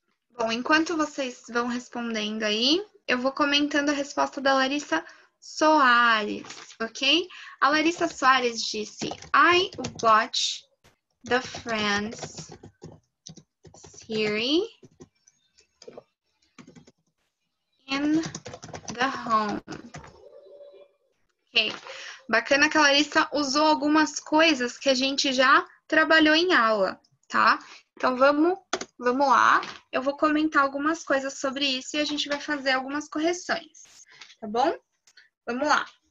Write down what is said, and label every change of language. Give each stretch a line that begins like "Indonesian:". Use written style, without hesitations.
Portuguese: Bom, enquanto vocês vão respondendo aí, eu vou comentando a resposta da Larissa Soares, ok? A Larissa Soares disse,
English: I watch the Friends series in the home.
Portuguese: Ok, bacana que a Larissa usou algumas coisas que a gente já trabalhou em aula, tá? Então, vamos lá. Eu vou comentar algumas coisas sobre isso e a gente vai fazer algumas correções, tá bom? Vamos lá.